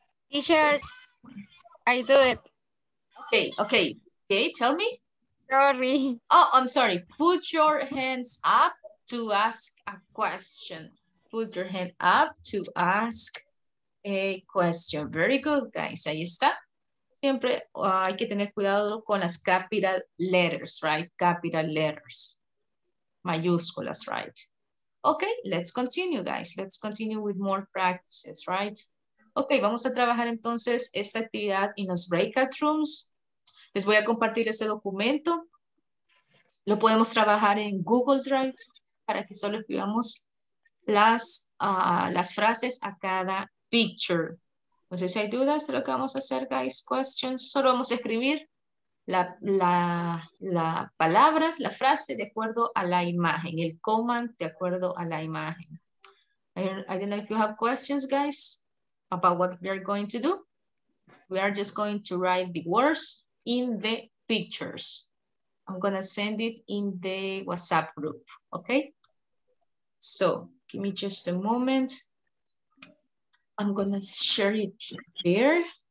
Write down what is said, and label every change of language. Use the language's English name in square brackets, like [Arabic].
[English] Teacher, I do it. Okay, tell me. Sorry. Oh, I'm sorry. Put your hands up to ask a question. Put your hand up to ask a question. Very good, guys. [Spanish] Ahí está. [English] Siempre hay que tener cuidado con las capital letters, right? Capital letters. Mayúsculas, right? Okay, let's continue, guys. Let's continue with more practices, right? [Spanish] Okay, vamos a trabajar entonces esta actividad en los breakout rooms. Les voy a compartir ese documento. Lo podemos trabajar en Google Drive para que solo escribamos las frases a cada picture. No sé si hay dudas de lo que vamos a hacer, guys. Questions. Solo vamos a escribir la palabra, la frase de acuerdo a la imagen, el command de acuerdo a la imagen. [English] I don't know if you have questions, guys, about what we are going to do. We are just going to write the words in the pictures. I'm gonna send it in the WhatsApp group, okay? So give me just a moment. I'm gonna share it there.